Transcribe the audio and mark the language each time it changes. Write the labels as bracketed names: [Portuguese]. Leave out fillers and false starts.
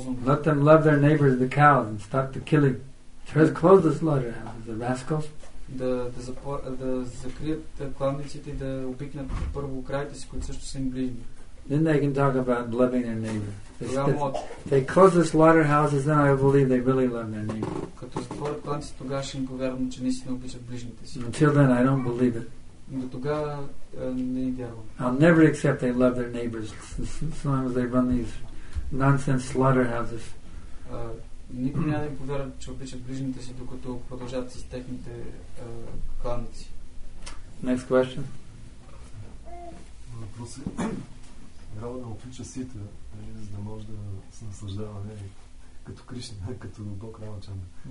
[English] Let them love their neighbors, the cows, and stop the killing. Just close the slaughterhouses, the rascals. [Bulgarian] Да закрият кланиците и да обикнат първо краите си, които също са им ближни. [English] Then they can talk about loving their neighbor. They close the slaughterhouses, then I believe they really love their neighbor. [Bulgarian] Като затворят кланиците, тогава ще им повярвам, че наистина обичат ближните си. [English] Until then, I don't believe it. [Bulgarian] До тогава не вярвам. [English] I'll never accept they love their neighbors as long as they run these nonsense slaughterhouses. [Bulgarian] Никой няма да им повярва, че обичат ближните си, докато продължат с техните кланици. [English] Next question. [Bulgarian] Въпрос е, трябва да отлича сита, за да може да се наслаждаваме като Кришна, като Бог Рамачандра.